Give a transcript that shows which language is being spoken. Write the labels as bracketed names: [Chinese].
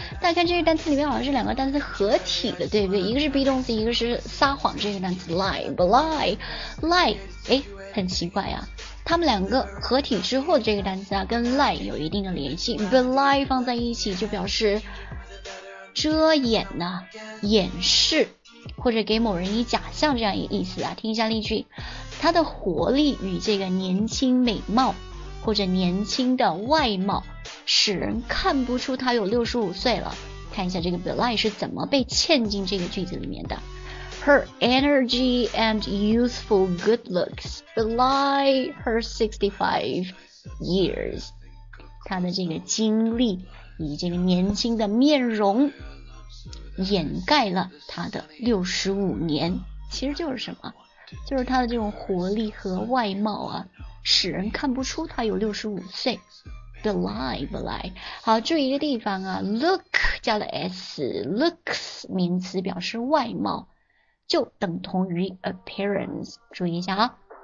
[Chinese] 大家看这个单词里面好像是两个单词合体的，对不对？一个是 be 动词，一个是撒谎这个单词 lie， belie， lie。 诶，很奇怪啊，他们两个合体之后的这个单词啊跟 lie 有一定的联系， belie 放在一起就表示遮掩啊、掩饰或者给某人以假象这样一个意思啊。听一下例句，他的活力与这个年轻美貌或者年轻的外貌，使人看不出他有65岁了。看一下这个 belie 是怎么被嵌进这个句子里面的。 [English] Her energy and youthful good looks belie her 65 years. [Chinese] 她的这个精力以这个年轻的面容掩盖了她的65年。其实就是什么？就是她的这种活力和外貌啊，使人看不出她有65岁。 Belie, belie. 好，注意一个地方啊， look 加了 s, looks 名词表示外貌，就等同于 appearance， 注意一下啊。